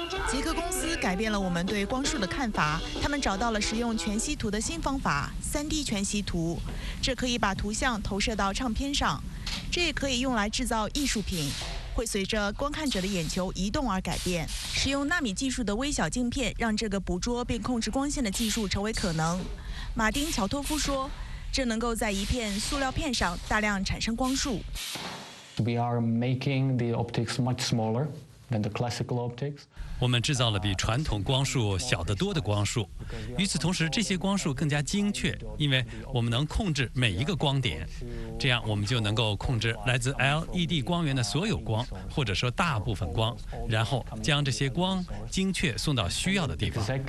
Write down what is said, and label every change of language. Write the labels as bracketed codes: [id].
[zh] 捷克公司改变了我们对光束的看法，他们找到了使用全息图的新方法 ——3D 全息图，这可以把图像投射到唱片上，这也可以用来制造艺术品，会随着观看者的眼球移动而改变。使用纳米技术的微小镜片让这个捕捉并控制光线的技术成为可能。马丁·乔托夫说，这能够在一片塑料片上大量产生光束。 [en] We are making the optics much smaller than the classical optics. [zh] 我们制造了比传统光束小得多的光束，与此同时，这些光束更加精确，因为我们能控制每一个光点，这样我们就能够控制来自 LED 光源的所有光，或者说大部分光，然后将这些光精确送到需要的地方。